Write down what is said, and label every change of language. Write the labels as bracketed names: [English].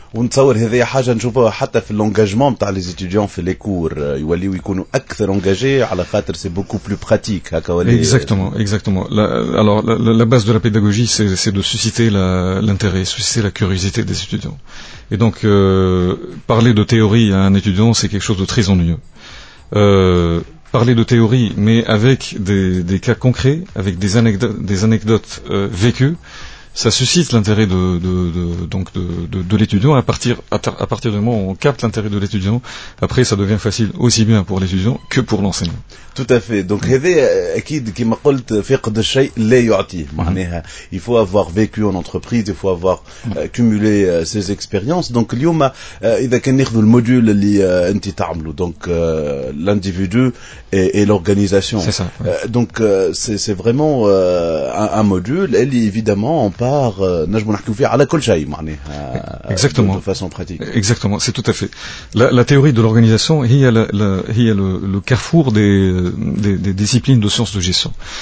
[Arabic] On تصور هذه حاجه نشوفها حتى في l'engagement تاع les étudiants في les cours, يوليو يكونوا اكثر engagés على خاطر [French] c'est beaucoup plus pratique. Exactement. La base de la pédagogie c'est de susciter l'intérêt, susciter la curiosité des étudiants. Et donc parler de théorie à un étudiant, c'est quelque chose de très ennuyeux. Parler de théorie, mais avec des cas concrets, avec des anecdotes vécues, ça suscite l'intérêt de l'étudiant. À partir du moment où on capte l'intérêt de l'étudiant, après ça devient facile aussi bien pour l'étudiant que pour l'enseignant. Tout à fait. Donc [Arabic] هذا اكيد كما قلت فقد الشيء لا يعطي, [French] معناها il faut avoir vécu en entreprise, il faut avoir cumulé ces expériences. [Arabic] Donc اليوم اذا كان ناخذ المودول اللي انت تعمله, donc [French] l'individu et l'organisation. C'est ça. Donc c'est vraiment un module, et évidemment par [Arabic] نجم نحكيو فيه على كل شيء, [French] معناها exactement de façon pratique. Exactement, c'est tout à fait. La théorie de l'organisation, il y a le carrefour des disciplines de sciences de gestion.